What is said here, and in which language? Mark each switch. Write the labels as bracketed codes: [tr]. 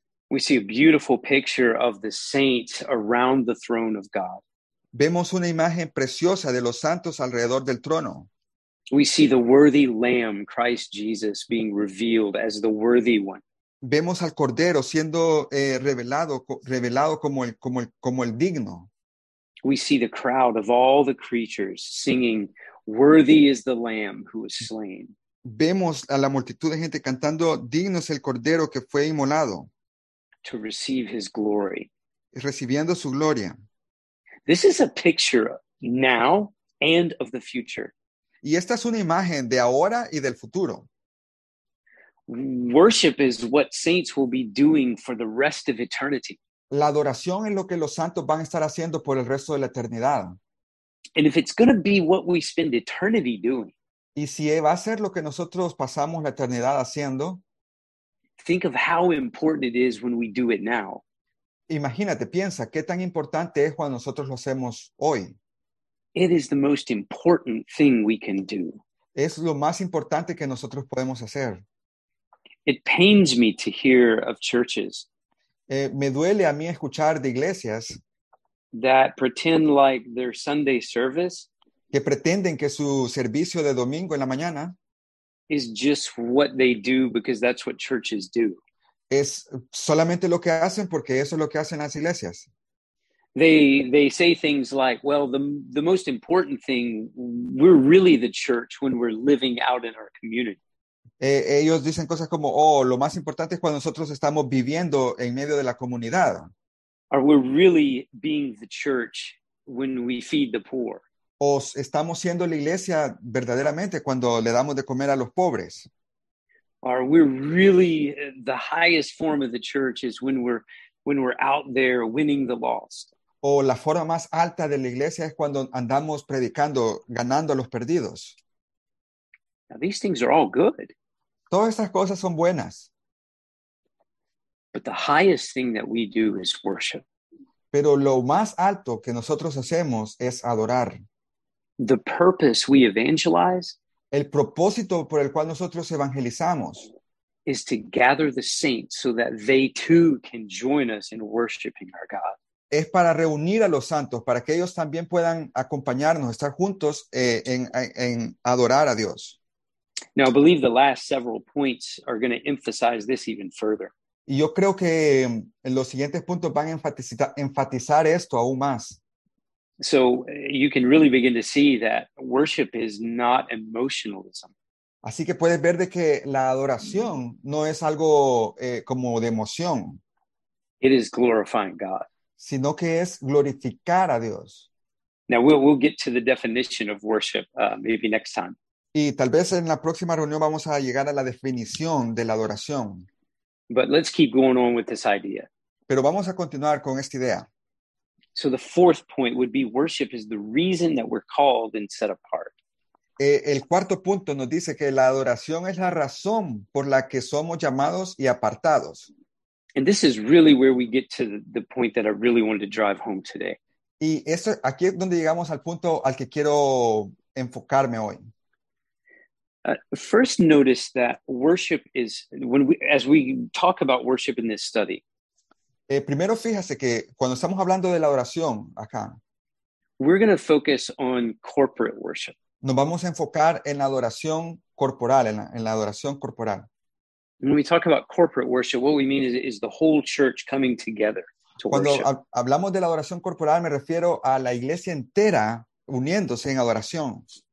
[en] We see a beautiful picture of the saints around the throne of God. [es] Vemos una imagen preciosa de los santos alrededor del trono. [en] We see the worthy lamb, Christ Jesus, being revealed as the worthy one. [es] Vemos al cordero siendo revelado como el digno. [en] We see the crowd of all the creatures singing, "Worthy is the lamb who was slain." [es] Vemos a la multitud de gente cantando, "Digno es el cordero que fue inmolado." [en] To receive his glory. [es] Recibiendo su gloria. [en] This is a picture now and of the future. [es] Y esta es una imagen de ahora y del futuro. [en] Worship is what saints will be doing for the rest of eternity. [es] La adoración es lo que los santos van a estar haciendo por el resto de la eternidad. [en] And if it's going to be what we spend eternity doing. [es] Y si va a ser lo que nosotros pasamos la eternidad haciendo. [en] Think of how important it is when we do it now. [es] Imagínate, piensa, ¿qué tan importante es cuando nosotros lo hacemos hoy? [en] It is the most important thing we can do. [es] Es lo más importante que nosotros podemos hacer. [en] It pains me to hear of churches. [es] Me duele a mí escuchar de iglesias. [en] That pretend like their Sunday service. [es] Que pretenden que su servicio de domingo en la mañana. [en] Is just what they do because that's what churches do. [es] Es solamente lo que hacen porque eso es lo que hacen las iglesias. [en] They say things like, well, the most important thing, we're really the church when we're living out in our community. [es] Ellos dicen cosas como, oh, lo más importante es cuando nosotros estamos viviendo en medio de la comunidad. [en] Are we really being the church when we feed the poor? [es] ¿O estamos siendo la iglesia verdaderamente cuando le damos de comer a los pobres? [en] Are we really the highest form of the church is when we're out there winning the lost? [es] ¿O la forma más alta de la iglesia es cuando andamos predicando, ganando a los perdidos? [en] Now, these things are all good. [es] Todas estas cosas son buenas. [en] But the highest thing that we do is worship. [es] Pero lo más alto que nosotros hacemos es adorar. [en] The purpose we evangelize. [es] El propósito por el cual nosotros evangelizamos [en] is to gather the saints so that they too can join us in worshiping our God. [es] Es para reunir a los santos para que ellos también puedan acompañarnos, estar juntos en adorar a Dios. [en] Now I believe the last several points are going to emphasize this even further. [es] Y yo creo que los siguientes puntos van a enfatizar esto aún más. [en] So you can really begin to see that worship is not emotionalism. [es] Así que puedes ver de que la adoración no es algo como de emoción. [en] It is glorifying God. [es] Sino que es glorificar a Dios. [en] Now we'll get to the definition of worship maybe next time. [es] Y tal vez en la próxima reunión vamos a llegar a la definición de la adoración. [en] But let's keep going on with this idea. [es] Pero vamos a continuar con esta idea. [en] So the fourth point would be worship is the reason that we're called and set apart. [es] El cuarto punto nos dice que la adoración es la razón por la que somos llamados y apartados. [en] And this is really where we get to the point that I really wanted to drive home today. [es] Y esto, aquí es donde llegamos al punto al que quiero enfocarme hoy. [en] First, notice that worship is when we, as we talk about worship in this study, [es] Primero, fíjese que cuando estamos hablando de la oración acá, [en] we're going to focus on corporate worship. [es] nos vamos a enfocar en la adoración corporal, en la adoración corporal. [en] When we talk about corporate worship, what we mean is the whole church coming together to [es] Cuando [en] worship. [es] hablamos de la adoración corporal, me refiero a la iglesia entera uniéndose en adoración.